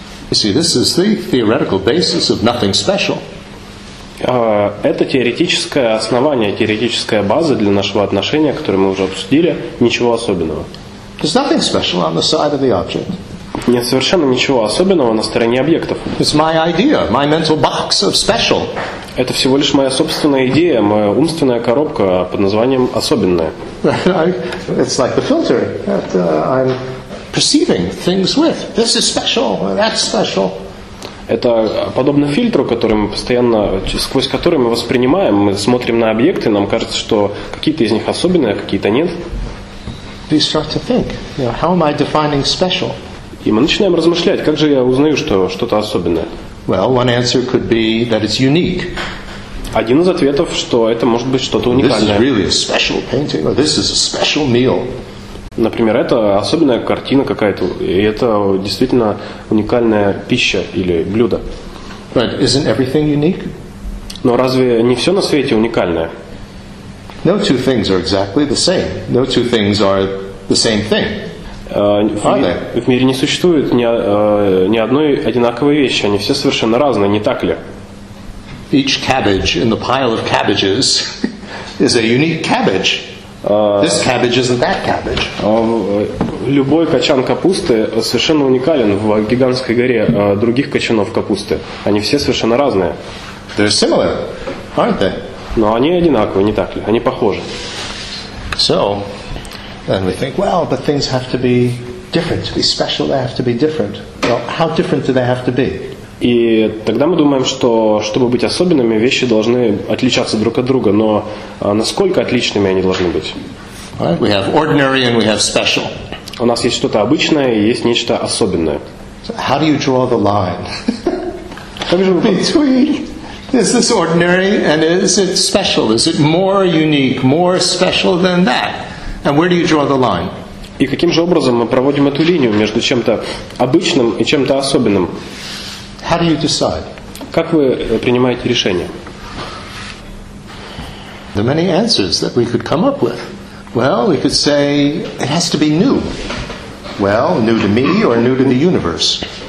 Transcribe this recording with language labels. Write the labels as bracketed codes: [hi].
[en] You see, this is the theoretical basis of nothing special. [ru] Это теоретическое основание, теоретическая база для нашего отношения, которое мы уже обсудили, ничего особенного. [en] There's nothing special on the side of the object. [ru] Нет совершенно ничего особенного на стороне объектов. [en] It's my idea, my mental box of special. [ru] Это всего лишь моя собственная идея, моя умственная коробка под названием «особенная». [en] It's like the filter that I'm perceiving things with. This is special, that's special. [ru] Это подобно фильтру, который мы постоянно, сквозь который мы воспринимаем, мы смотрим на объекты, нам кажется, что какие-то из них особенные, а какие-то нет. [en] We start to think, you know, how am I defining special? [ru] И мы начинаем размышлять, как же я узнаю, что что-то особенное? [en] Well, one answer could be that it's unique. [ru] Один из ответов, что это может быть что-то уникальное. [en] This is really a special painting, or this is a special meal. [ru] Например, это особенная картина какая-то, и это действительно уникальная пища или блюдо. [en] But isn't everything unique? [ru] Но разве не все на свете уникальное? [en] No two things are exactly the same. No two things are the same thing. [ru] В мире не существует ни одной одинаковой вещи, они все совершенно разные, не так ли? [en] Each cabbage in the pile of cabbages is a unique cabbage. This cabbage isn't that cabbage. [ru] Любой кочан капусты совершенно уникален в гигантской горе других кочанов капусты. Они все совершенно разные. [en] They're similar, aren't they? [ru] Но они одинаковые, не так ли? Они похожи. [en] So, and we think, well, but things have to be different, to be special, they have to be different. Well, how different do they have to be? [ru] И тогда мы думаем, что чтобы быть особенными, вещи должны отличаться друг от друга. Но насколько отличными они должны быть? [en] Right. We have ordinary and we have special. [ru] У нас есть что-то обычное и есть нечто особенное. [en] So how do you draw the line? [ru] Как же вы... [en] Between is this ordinary and is it special? Is it more unique, more special than that? And where do you draw the line? [ru] И каким же образом мы проводим эту линию между чем-то обычным и чем-то особенным? [en] How do you decide? [ru] Как вы принимаете решение? [en] There are many answers that we could come up with. Well, we could say it has to be new. Well, new to me or new to the universe.